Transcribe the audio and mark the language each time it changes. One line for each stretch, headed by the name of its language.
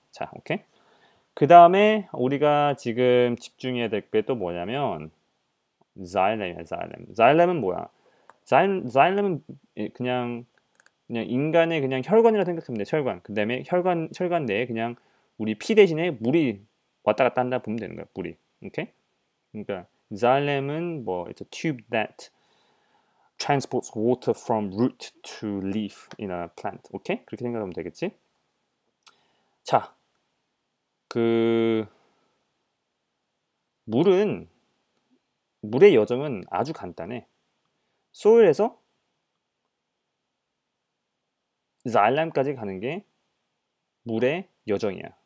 Korean: 자, 오케이? 그 다음에 우리가 지금 집중해야 될게또 뭐냐면 xylem이야, xylem. xylem은 뭐야? xylem은 그냥 인간의 그냥 혈관이라 생각하면 돼, 혈관. 그 다음에 혈관 내에 그냥 우리 피 대신에 물이 왔다 갔다 한다 보면 되는 거야, 물이. 오케이? 그러니까 xylem은 뭐,
English: it's a tube that transports water from root to leaf in a plant.
Korean: 오케이? 그렇게 생각하면 되겠지? 자, 물의 여정은 아주 간단해. 소일에서 xylem까지 가는 게 물의 여정이야.